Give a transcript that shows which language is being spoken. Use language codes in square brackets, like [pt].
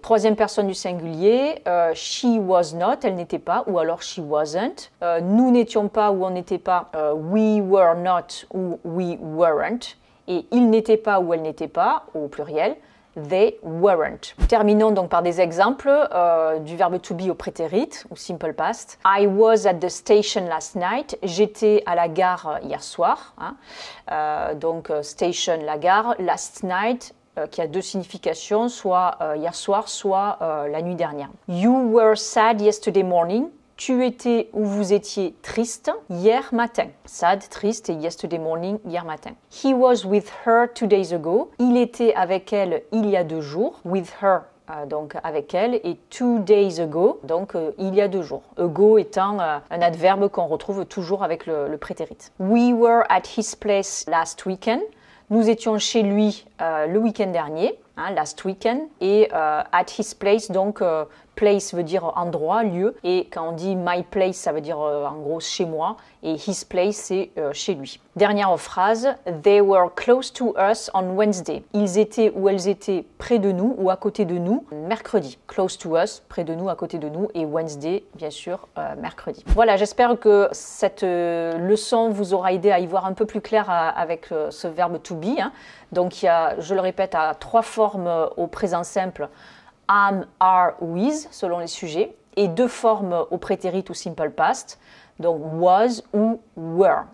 [fr] Troisième personne du singulier, [en] she was not, [fr] elle n'était pas ou alors [en] she wasn't. [fr] Nous n'étions pas ou on n'était pas, [en] we were not [fr] ou [en] we weren't. [fr] Et ils n'étaient pas ou elles n'étaient pas, au pluriel, [en] they weren't. [fr] Terminons donc par des exemples du verbe to be au prétérit, ou simple past. [en] I was at the station last night. [fr] J'étais à la gare hier soir. Hein. Donc, station, la gare, [en] last night, [fr] qui a deux significations, soit hier soir, soit la nuit dernière. [en] You were sad yesterday morning. [fr] Tu étais ou vous étiez triste hier matin. [en] Sad, [fr] triste, [en] et yesterday morning, [fr] hier matin. [en] He was with her 2 days ago. [fr] Il était avec elle il y a 2 jours. [en] With her, [fr] donc avec elle, et [en] 2 days ago, [fr] donc il y a 2 jours. Ago étant un adverbe qu'on retrouve toujours avec le prétérit. [en] We were at his place last weekend. [fr] Nous étions chez lui le week-end dernier, hein, [en] last weekend, [fr] et [en] at his place, [fr] donc place veut dire endroit, lieu, et quand on dit [en] my place, [fr] ça veut dire en gros chez moi, et [en] his place, [fr] c'est chez lui. Dernière phrase, [en] they were close to us on Wednesday. [fr] Ils étaient ou elles étaient près de nous ou à côté de nous, mercredi. [en] Close to us, [fr] près de nous, à côté de nous, et Wednesday, bien sûr, mercredi. Voilà, j'espère que cette leçon vous aura aidé à y voir un peu plus clair avec ce verbe to be. Hein. Donc, il y a, je le répète, à 3 formes au présent simple, am, are ou is, selon les sujets, et 2 formes au prétérit ou simple past, donc was ou were.